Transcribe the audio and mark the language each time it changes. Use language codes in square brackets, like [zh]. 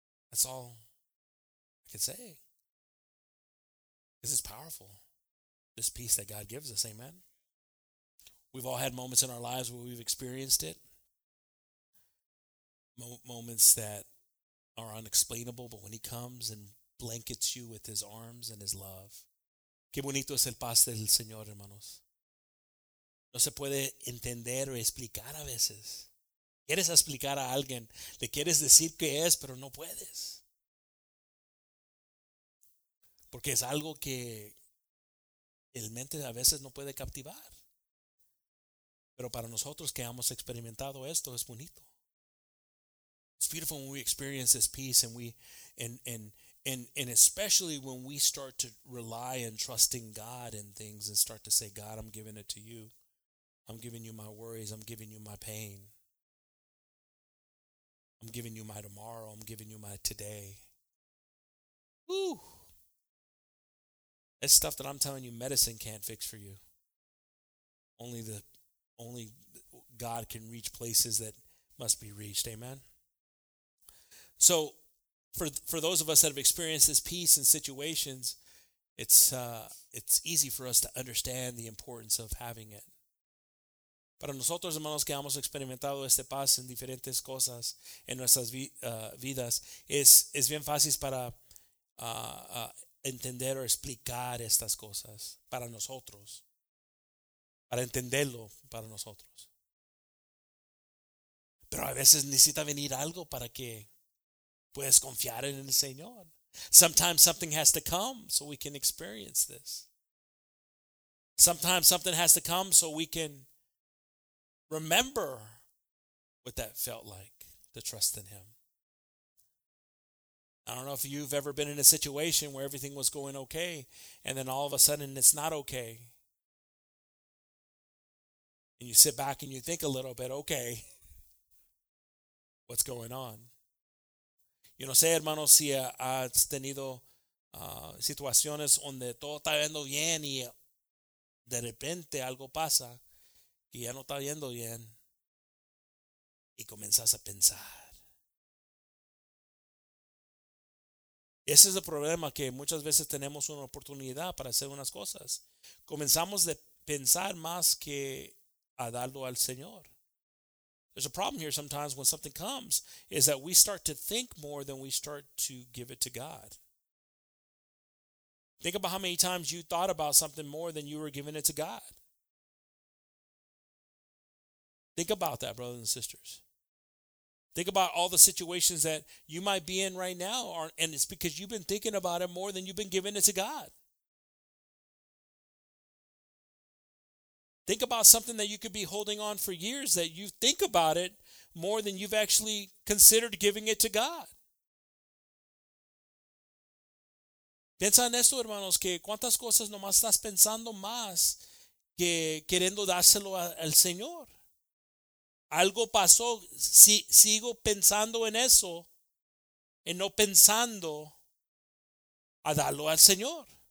[en] That's all I could say. This is powerful. This peace that God gives us, amen? We've all had moments in our lives where we've experienced it. Moments that are unexplainable, but when he comes and blankets you with his arms and his love. [es] Qué bonito es el paz del Señor, hermanos. No se puede entender o explicar a veces. Quieres explicar a alguien, le quieres decir qué es, pero no puedes. Porque es algo que el mente a veces no puede captivar. Pero para nosotros que hemos experimentado esto, es bonito. [en] It's beautiful when we experience this peace, and especially when we start to rely and trusting God in things and start to say, God, I'm giving it to you. I'm giving you my worries. I'm giving you my pain. I'm giving you my tomorrow. I'm giving you my today. Woo! That's stuff that I'm telling you medicine can't fix for you. Only God can reach places that must be reached. Amen? So, for those of us that have experienced this peace in situations, it's easy for us to understand the importance of having it. [es] Para nosotros, hermanos, que hemos experimentado este paz en diferentes cosas en nuestras vidas, es bien fácil para entender o explicar estas cosas para nosotros, para entenderlo para nosotros. Pero a veces necesita venir algo para que puedas confiar en el Señor. [en] Sometimes something has to come so we can experience this. Sometimes something has to come so we can remember what that felt like to trust in Him. I don't know if you've ever been in a situation where everything was going okay and then all of a sudden it's not okay. And you sit back and you think a little bit, okay, what's going on? [es] Yo no sé, hermano, si has tenido situaciones donde todo está yendo bien y de repente algo pasa y ya no está yendo bien y comienzas a pensar. Ese es el problema, que muchas veces tenemos una oportunidad para hacer unas cosas. Comenzamos de pensar más que a darlo al Señor. [en] There's a problem here sometimes when something comes is that we start to think more than we start to give it to God. Think about how many times you thought about something more than you were giving it to God. Think about that, brothers and sisters. Think about all the situations that you might be in right now, and it's because you've been thinking about it more than you've been giving it to God. Think about something that you could be holding on for years that you think about it more than you've actually considered giving it to God. [es] Piensa en esto, hermanos, que cuántas cosas nomás estás pensando más que queriendo dárselo al Señor. Algo pasó, sigo pensando en eso y no pensando a darlo al Señor.